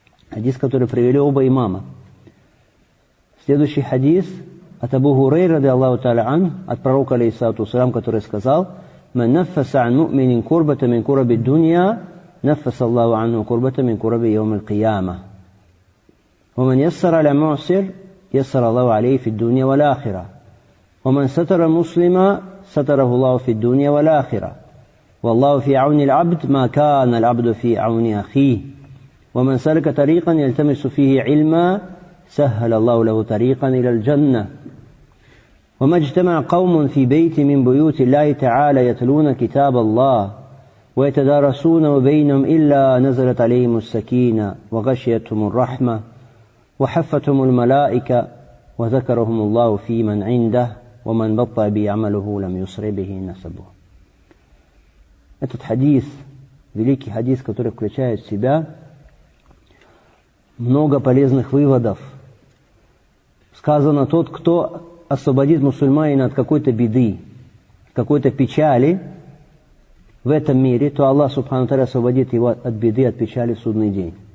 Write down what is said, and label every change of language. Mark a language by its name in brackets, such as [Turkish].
[Russian] Хадис, который привели оба имама. Следующий хадис от Абу Хурейры, [Arabic] ради Аллаху тааля ан, [Russian] от пророка, алейхиссалату вассалям, который сказал: [Arabic] «Ман наффаса ан муминин курбата мин курби дунья, наффаса Аллаху анху курбата мин курби йаум аль-кияма. Ва ман яссара ля мусир, يسر الله عليه في الدنيا والآخرة. ومن ستر مسلما ستره الله في الدنيا والآخرة. والله في عون العبد ما كان العبد في عون أخيه. ومن سلك طريقا يلتمس فيه علما سهل الله له طريقا إلى الجنة. وما اجتمع قوم في بيت من بيوت الله تعالى يتلون كتاب الله ويتدارسون وبينهم إلا نزلت عليهم السكينة وغشيتهم الرحمة وحفتهم الملائكة وذكرهم الله في من عنده ومن بطأ بعمله لم يسر به نسبه». [Russian] Этот хадис, великий хадис, который включает в себя много полезных выводов. Сказано: тот, кто освободит мусульманина от какой-то беды, какой-то печали в этом мире, то Аллах, субхану ва тааля, освободит его от беды, от печали в судный день.